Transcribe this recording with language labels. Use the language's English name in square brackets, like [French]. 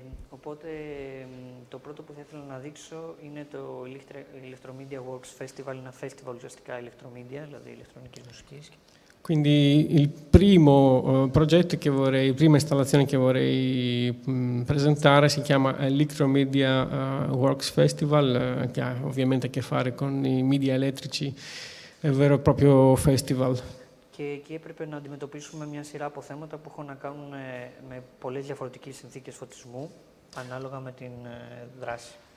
[Greek] Οπότε το πρώτο που θα ήθελα να δείξω είναι το Electromedia Works Festival, ένα festival ουσιαστικά electromedia, δηλαδή ηλεκτρονική μουσική. [Italian] Quindi il primo progetto che vorrei, prima installazione che vorrei presentare si chiama Electromedia Works Festival, che ha ovviamente a che fare con i media elettrici, è un vero e proprio festival. [Greek] Και εκεί έπρεπε να αντιμετωπίσουμε μια σειρά από θέματα που έχουν να κάνουν με πολλές διαφορετικές συνθήκες φωτισμού, ανάλογα με την δράση.